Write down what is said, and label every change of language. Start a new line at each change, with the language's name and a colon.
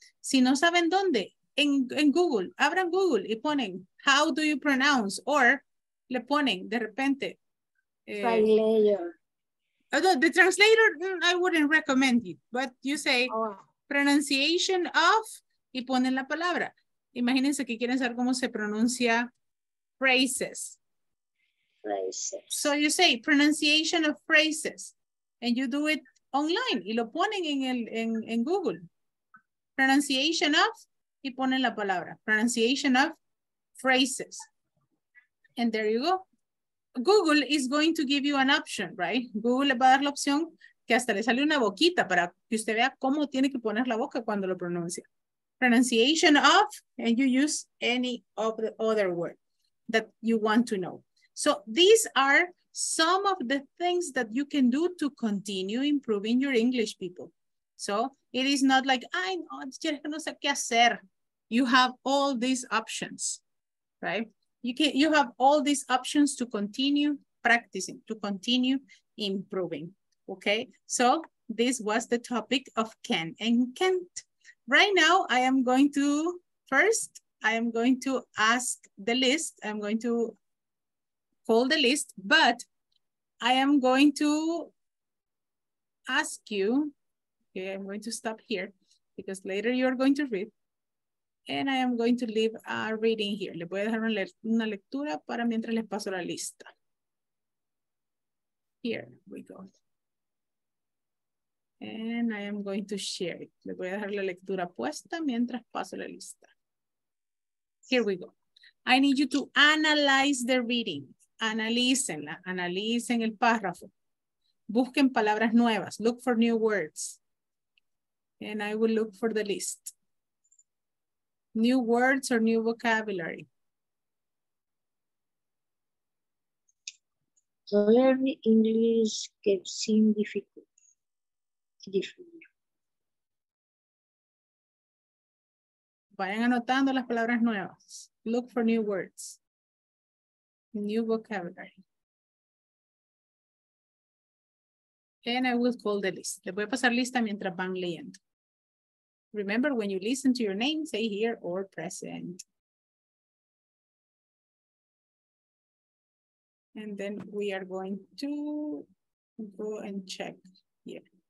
Spanish: Si no saben dónde, en Google, abran Google y ponen
English: how do you pronounce, or
Spanish: le ponen de repente.
English: Translator. The translator, I wouldn't recommend it, but you say pronunciation of
Spanish: y ponen la palabra.
English: Imagínense que quieren saber cómo se pronuncia phrases. Phrases. So you say pronunciation of phrases and you do it online
Spanish: y lo ponen en Google.
English: Pronunciation of,
Spanish: y ponen la palabra.
English: Pronunciation of phrases. And there you go. Google is going to give you an option, right?
Spanish: Google le va a dar la opción que hasta le sale una boquita para que usted vea cómo tiene que poner la boca cuando lo pronuncia.
English: Pronunciation of, and you use any of the other word that you want to know. So these are some of the things that you can do to continue improving your English, people. So it is not like,
Spanish: ay, no, no sé qué hacer.
English: You have all these options, right? You have all these options to continue practicing, to continue improving, okay? So this was the topic of can and can't. Right now, I am going to, first, I am going to ask the list. I'm going to call the list, but I am going to ask you, okay, I'm going to stop here because later you're going to read. And I am going to leave a reading here.
Spanish: Le voy a dejar una lectura para mientras les paso la lista.
English: Here we go. And I am going to share it.
Spanish: Le voy a dejar la lectura puesta mientras paso la lista.
English: Here we go. I need you to analyze the reading.
Spanish: Analícenla, analicen el párrafo. Busquen palabras nuevas.
English: Look for new words. And I will look for the list. New words or new vocabulary. To learn English can seem difficult.
Spanish: Vayan anotando las palabras nuevas.
English: Look for new words. New vocabulary. And I will call the list.
Spanish: Le voy a pasar lista mientras van leyendo.
English: Remember, when you listen to your name, say here or present. And then we are going to go and check here.